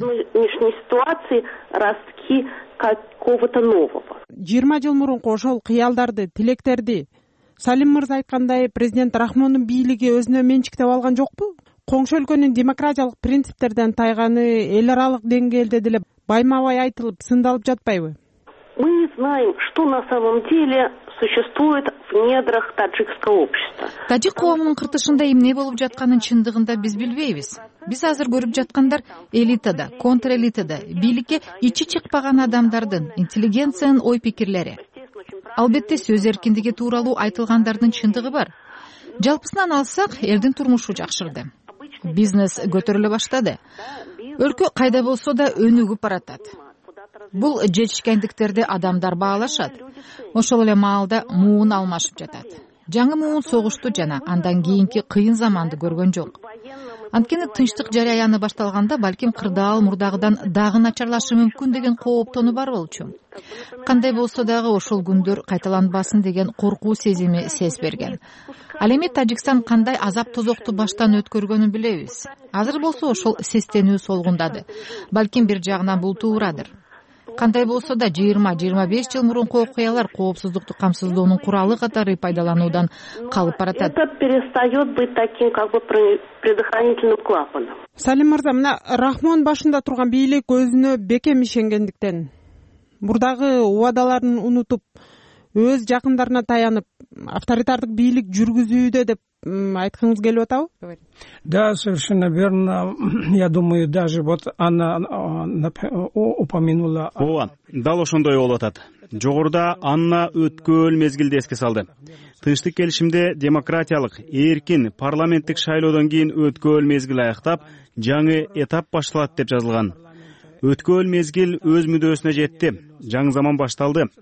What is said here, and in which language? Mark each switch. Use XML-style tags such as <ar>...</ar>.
<ky>Жыйырма жыл мурунку ошол кыялдарды, тилектерди Салим мырза айткандай, президент Рахмондун бийлиги өзүнө менчиктеп алган жокпу? Коңшу өлкөнүн демократиялык принциптерден тайганы эл аралык деңгээлде деле байма-бай айтылып, сындалып жатпайбы?</ky> <ru>Мы не знаем, что на самом деле существует в недрах таджикского общества.</ru> <ky>Таджик коомунун кыртышында эмне болуп жатканын чындыгында биз билбейбиз. Биз азыр көрүп жаткандар элитада, контрэлитада, бийликке ичи чыкпаган адамдардын, интеллигенциянын ой-пикирлери. Албетте сөз эркиндиги тууралуу айтылгандардын чындыгы бар. Жалпысынан алсак, элдин турмушу жакшырды. Бизнес көтөрүлө баштады. Өлкө кайда болсо да өнүгүп баратат. Бул жетишкендиктерди адамдар баалашат. Ошол эле маалда муун алмашып жатат. Жаңы муун согушту жана андан кийинки кыйын заманды көргөн жок. Анткени тынчтык жараяны башталганда балким кырдаал мурдагыдан дагы начарлашы мүмкүн деген кооптонуу бар болчу. Кандай болсо дагы ошол күндөр кайталанбасын деген коркуу сезими сез берген. Ал эми Тажикстан кандай азап тозокту баштан өткөргөнүн билебиз. Азыр болсо ошол сестенүү солгундады. Балким бир жагынан бул туурадыр. Кандай болсо да 20-25 жыл мурунку окуялар коопсуздукту камсыздоонун куралы катары пайдалануудан калып баратат.</ky> <ru>Это перестает быть таким, как бы предохранительным клапаном.</ru> <ky>Салим мырза, мына Рахмон башында турган бийлик өзүнө бекем ишенгендиктен, мурдагы убадаларын унутуп, өз жакындарына таянып, авторитардык бийлик жүргүзүүдө деп айтканыңыз келип атабы?</ky> <ru>Да, совершенно верно. Я думаю, даже вот она упомянула.</ru> <ky>Ооба, дал ошондой болуп атат. Жогоруда Анна өткөн мезгилди эске салды. Тынчтык келишимде демократиялык, эркин парламенттик шайлоодон кийин өткөн мезгил аяктап, жаңы этап башталат деп жазылган. Өткөн мезгил өз мүдөөсүнө жетти. Жаңы заман башталды.</ky>